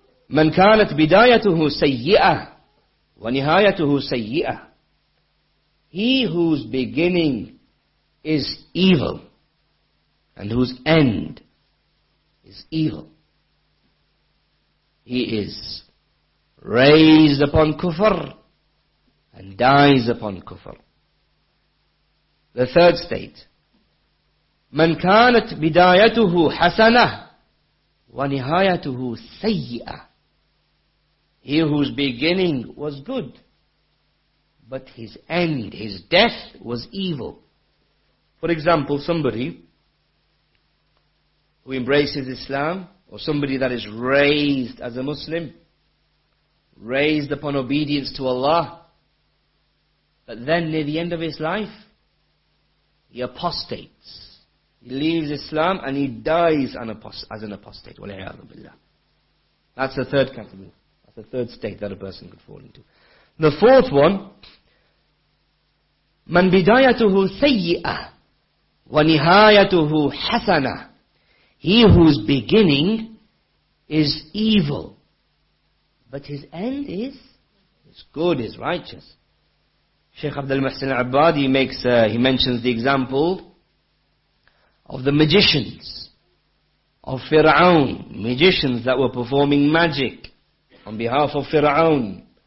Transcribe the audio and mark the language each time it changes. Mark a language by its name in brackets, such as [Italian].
[Arabic] من كانت بدايته سيئة ونهايته سيئة. [English] He whose beginning is evil and whose end is evil. He is raised upon kufr and dies upon kufr. The third state. [Arabic] من كانت بدايته حسنة ونهايته سيئة. [English] He whose beginning was good, but his end, his death, was evil. For example, somebody who embraces Islam, or somebody that is raised as a Muslim, raised upon obedience to Allah, but then near the end of his life, he apostates. He leaves Islam and he dies as an apostate. [Arabic] وَلَعَيَاذُ بِاللَّهِ. [English] That's the third category. The third state that a person could fall into. The fourth one, [Arabic] مَنْ بِدَايَتُهُ سَيِّئَةً وَنِهَايَتُهُ حَسَنَةً. [English] He whose beginning is evil, but his end is good, is righteous. Shaykh Abdul Muhsin al-Abbad, he mentions the example of the magicians, of Fir'aun, magicians that were performing magic on behalf of Fir'aun.